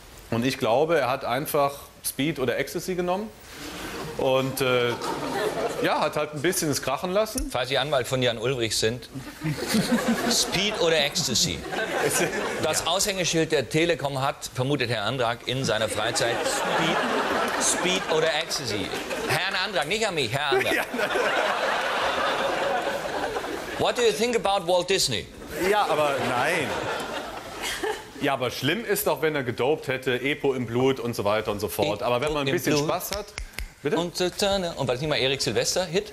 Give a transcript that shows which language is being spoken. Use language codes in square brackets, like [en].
[de] Und ich glaube, er hat einfach Speed oder Ecstasy genommen. Und hat halt ein bisschen es krachen lassen. Falls Sie Anwalt von Jan Ulrich sind, Speed oder Ecstasy. Das Aushängeschild der Telekom hat, vermutet Herr Andrak, in seiner Freizeit Speed oder Ecstasy. Herr Andrak, nicht an mich, Herr Andrak. [en] What do you think about Walt Disney? [de] Ja, aber nein. Ja, aber schlimm ist doch, wenn er gedopt hätte, Epo im Blut und so weiter und so fort. Epo, aber wenn man ein bisschen Blut. Spaß hat, bitte? Und war das nicht mal Erik Silvester Hit?